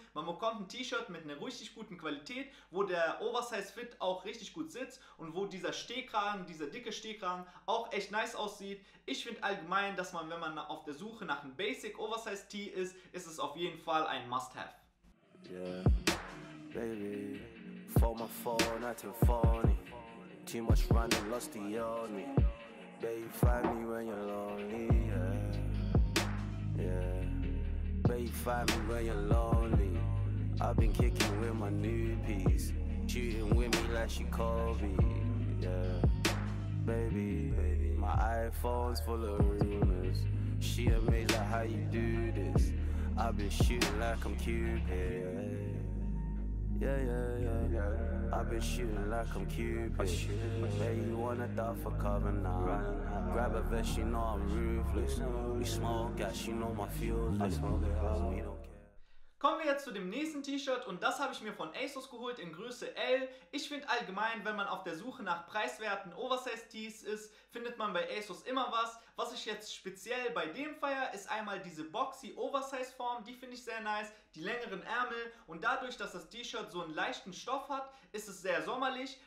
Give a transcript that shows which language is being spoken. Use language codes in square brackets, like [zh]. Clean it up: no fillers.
[de] Man bekommt ein T-Shirt mit einer richtig guten Qualität, wo der Oversize-Fit auch richtig gut sitzt und wo dieser Stehkragen, dieser dicke Stehkragen auch echt nice aussieht. Ich finde allgemein, dass man, wenn man auf der Suche nach einem Basic-Oversize-Tee ist, ist es auf jeden Fall ein Must-Have. [en] Yeah, baby. For my phone, not too funny. Too much running, lost the army. Baby, find me when you're lonely. Yeah, yeah. Baby, find me when you're lonely. I've been kicking with my new piece. Shooting with me like she called me. Yeah, baby. My iPhone's full of rumors. She amazed at how you do this. I've been shooting like I'm Cupid. Yeah, yeah, yeah. I've been shooting like I'm Cupid. Yeah, you wanna die for cover now. Grab a vest, you know I'm ruthless. We smoke gas, you know my fuel's lit. We don't care. [de] Kommen wir jetzt zu dem nächsten T-Shirt und das habe ich mir von ASOS geholt in Größe L. Ich finde allgemein, wenn man auf der Suche nach preiswerten Oversize-Tees ist, findet man bei ASOS immer was. Was ich jetzt speziell bei dem feiere, ist einmal diese boxy Oversize-Form, die finde ich sehr nice, die längeren Ärmel und dadurch, dass das T-Shirt so einen leichten Stoff hat, ist es sehr sommerlich.